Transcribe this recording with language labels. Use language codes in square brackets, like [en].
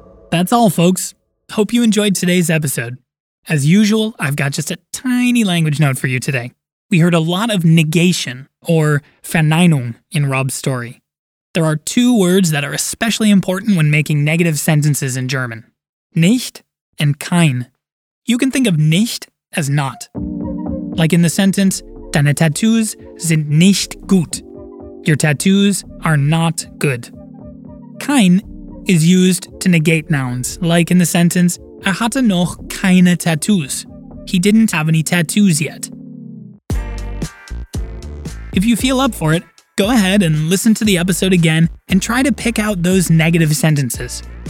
[en] That's all, folks. Hope you enjoyed today's episode. As usual, I've got just a tiny language note for you today. We heard a lot of negation, or Verneinung, in Rob's story. There are two words that are especially important when making negative sentences in German. Nicht and kein. You can think of nicht as not. Like in the sentence, [de] deine Tattoos sind nicht gut. [en] Your tattoos are not good. Kein is used to negate nouns, like in the sentence, [de] er hatte noch keine Tattoos. [en] He didn't have any tattoos yet. If you feel up for it, go ahead and listen to the episode again and try to pick out those negative sentences.